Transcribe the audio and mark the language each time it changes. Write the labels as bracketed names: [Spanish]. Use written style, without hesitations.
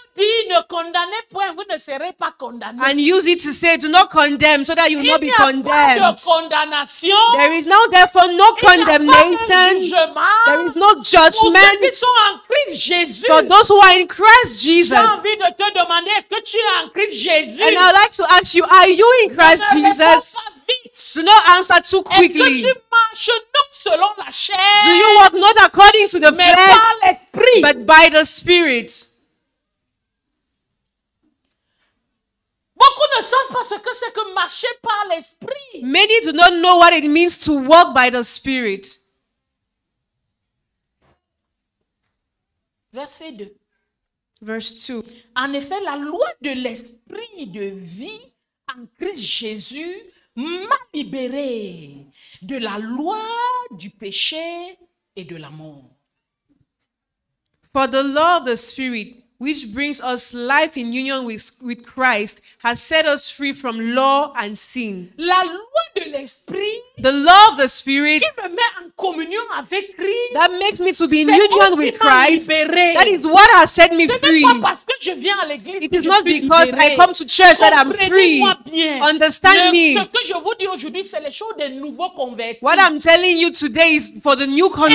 [French] dit, ne condamnez point, vous ne serez pas condamné. [English] And use it to say, do not condemn so that you [French] il [English] not be condemned. [French] De condamnation. [English] There is now therefore no [French] il [English] condemnation. There is no judgment [French] pour ceux qui sont en Christ Jésus. [English] For those who are in Christ Jesus. [French] J'ai envie de te demander, est-ce que tu es en Christ Jésus? [English] And I'd like to ask you, are you in Christ Jesus? Do not answer too quickly. [French] Est-ce que tu marches non selon la chair, [English] do you walk not according to the [French] mais [English] flesh, [French] par l'esprit, [English] but by the Spirit? [French] Beaucoup ne savent pas ce que c'est que marcher par l'esprit. [English] Many do not know what it means to walk by the Spirit. Verse 2. [French] En effet, la loi de l'esprit de vie en Christ Jésus m'a libéré de la loi du péché et de la mort. [English] For the law of the Spirit, which brings us life in union with Christ, has set us free from law and sin. [French] La loi de l'esprit, [English] the law of the Spirit, [French] qui me met en communion avec Christ, [English] that makes me to be in union with Christ, [French] libéré. [English] That is what has set me [French] ce [English] free. [French] N'est pas parce que je viens à l'église [English] it is not because [French] libéré. [English] I come to church that I'm free. [French] Bien. [English] Understand me. [French] Ce que je vous dis aujourd'hui, c'est les choses des nouveaux convertis. [English] What I'm telling you today is for the new converts.